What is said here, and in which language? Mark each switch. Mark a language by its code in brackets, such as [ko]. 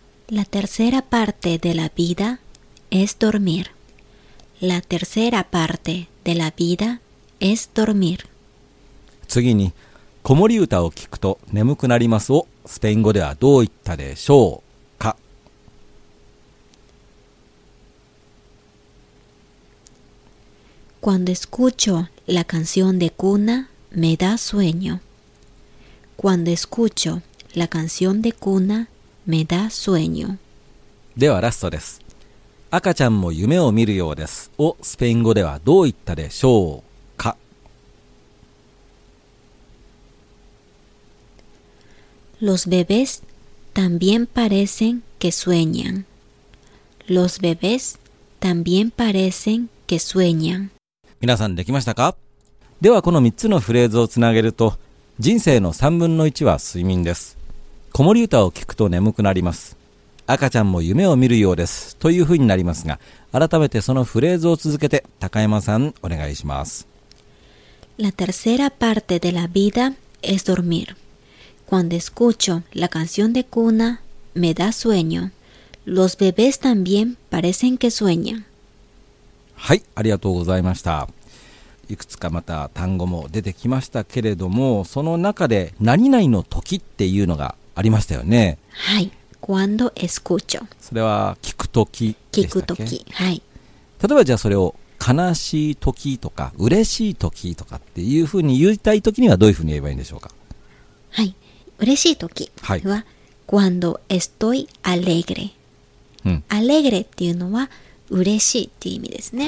[es] La tercera parte de la vida es dormir. La tercera parte de la vida es dormir. [ja] 次に、子守唄を聞くと眠くなりますをスペイン語ではどう言ったでしょうか？ [es] Cuando escucho la canción de cuna, me da sueño. Cuando escucho la canción de cuna,Me da sueño. [ja] ではラストです。赤ちゃんも夢を見るようですをスペイン語ではどう言ったでしょうか？ [es] Los bebés también parecen que sueñan. Los bebés también parecen que sueñan. [ja] 皆さんできましたか？ではこの3つのフレーズをつなげると、人生の3分の1は睡眠です、子守唄を聞くと眠くなります、赤ちゃんも夢を見るようですというふうになりますが、改めてそのフレーズを続けて高山さんお願いします。 [es] La tercera parte de la vida es dormir. Cuando escucho la canción de cuna, me da sueño. Los bebés también parecen que sueñan. [ja] はい、ありがとうございました。いくつかまた単語も出てきましたけれども、その中で何々の時っていうのがありましたよね。 [es] はい、 cuando escucho、 [ja] それは聞くとき、聞くとき、はい。例えばじゃあそれを悲しいときとか嬉しいときとかっていうふうに言いたいときにはどういうふうに言えばいいんでしょうか？はい、嬉しいときは、はい、 [es] cuando estoy alegre、 [ja] うん、alegre っていうのは嬉しいっていう意味ですね。